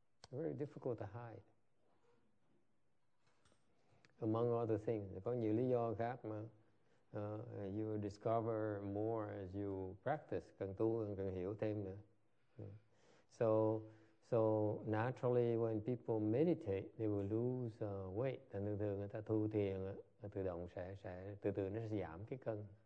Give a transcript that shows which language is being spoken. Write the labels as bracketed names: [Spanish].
[English] Very difficult to hide. Among other things, [Vietnamese] có nhiều lý do khác mà [English] you discover more as you practice, [Vietnamese] càng tu càng hiểu thêm nữa. [English] So naturally, when people meditate, they will lose weight. [Vietnamese] Thì thường thường người ta thu thiền tự động sẽ từ từ nó sẽ giảm cái cân.